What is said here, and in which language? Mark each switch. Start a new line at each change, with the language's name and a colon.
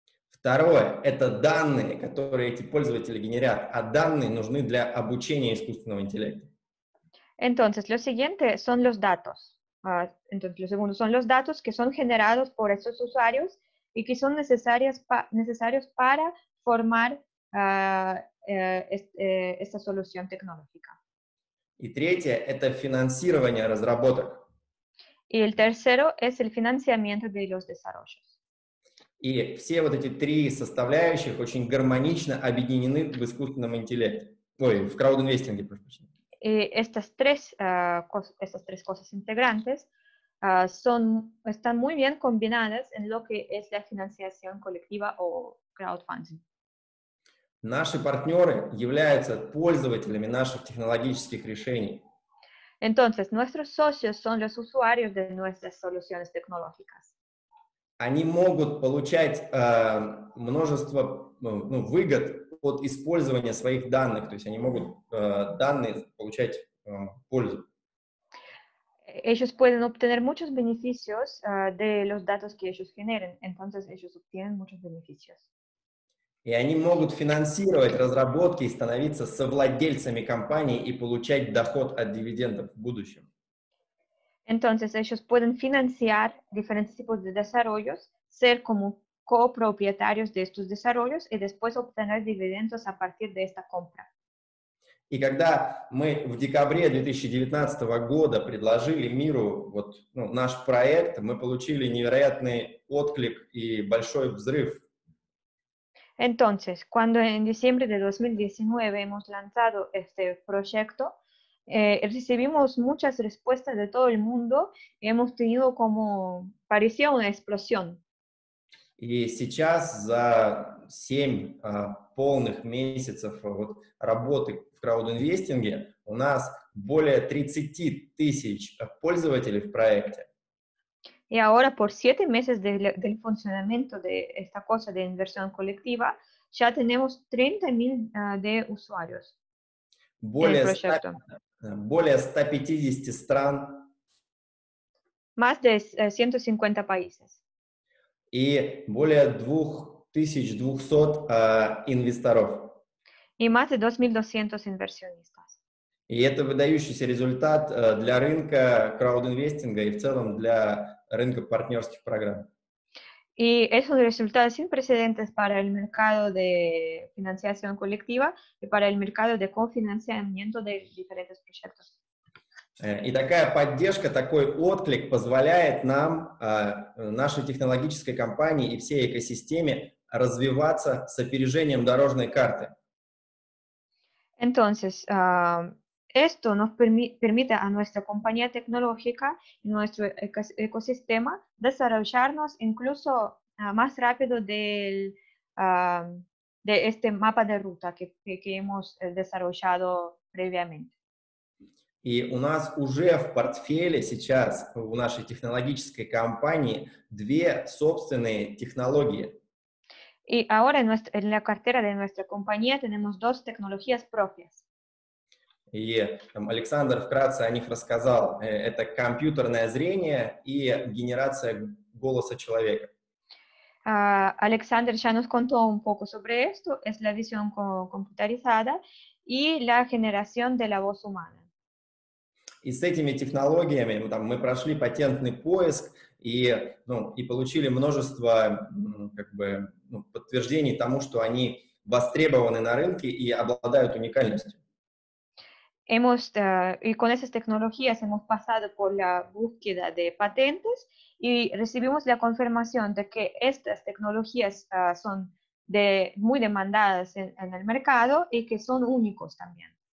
Russian: Второе – это данные, которые эти пользователи генерят, а данные нужны для обучения искусственного интеллекта.
Spanish: Entonces, lo siguiente son los datos. Entonces, lo segundo son los datos que son generados por esos usuarios y que son necesarios para formar esta solución tecnológica.
Russian: И третье – это финансирование разработок.
Spanish: Y el tercero es el financiamiento de los desarrollos.
Russian: И все вот эти три составляющих очень гармонично объединены в искусственном интеллекте. Ой, в краудинвестинге, прошу прощения.
Spanish: И estas tres cosas integrantes están muy bien combinadas en lo que es la financiación colectiva o crowdfunding.
Russian: Наши партнеры являются пользователями наших технологических решений.
Spanish: Entonces, nuestros socios son los usuarios de nuestras soluciones tecnológicas.
Russian: Они могут получать множество выгод от использования своих данных, то есть они могут данные получать пользу.
Spanish: Ellos pueden obtener muchos beneficios de los datos que ellos generen, entonces ellos obtienen muchos beneficios.
Russian: И они могут финансировать разработки и становиться совладельцами компании и получать доход от дивидендов в будущем.
Spanish: Entonces, ellos pueden financiar diferentes tipos de desarrollos, ser como copropietarios de estos desarrollos y después obtener dividendos a partir de esta compra.
Russian: И когда мы в декабре 2019 года предложили миру вот, ну, наш проект, мы получили невероятный отклик и большой взрыв.
Spanish: Entonces, cuando en diciembre de 2019 hemos lanzado este proyecto, recibimos muchas respuestas de todo el mundo y hemos tenido como, parecía una explosión.
Russian: Y сейчас за 7 полных месяцев вот, работы в краудинвестинге у нас более 30 тысяч пользователей в проекте.
Spanish: Y ahora por 7 meses del funcionamiento de esta cosa de inversión colectiva, ya tenemos 30,000 de usuarios.
Russian: Более 150 стран.
Spanish: Más de 150 países.
Russian: И более 2200 инвесторов.
Spanish: Y más de 2200 inversionistas.
Russian: И это выдающийся результат для рынка краудинвестинга и в целом для рынка партнерских программ. И это результат
Spanish: sin precedentes para el mercado de financiación colectiva y para el mercado de cofinanciamiento de diferentes proyectos.
Russian: И такая поддержка, такой отклик позволяет нам, нашей технологической компании и всей экосистеме развиваться с опережением дорожной карты.
Spanish: Entonces, esto nos permite a nuestra compañía tecnológica y nuestro ecosistema desarrollarnos incluso más rápido del de este mapa de ruta que hemos desarrollado previamente.
Russian: Y у нас уже в портфеле сейчас в нашей технологической компании две собственные технологии.
Spanish: Y ahora en la cartera de nuestra compañía tenemos dos tecnologías propias.
Russian: И там, Александр вкратце о них рассказал. Это компьютерное зрение и генерация голоса человека.
Spanish: Александр ya nos contó un poco sobre esto. Es la visión computarizada y la generación de la voz humana.
Russian: И с этими технологиями там, мы прошли патентный поиск и, ну, и получили множество как бы, ну, подтверждений тому, что они востребованы на рынке и обладают уникальностью.
Spanish: Hemos y con esas tecnologías hemos pasado por la búsqueda de patentes y recibimos la confirmación de que estas tecnologías son de muy demandadas en el mercado y que son únicos también.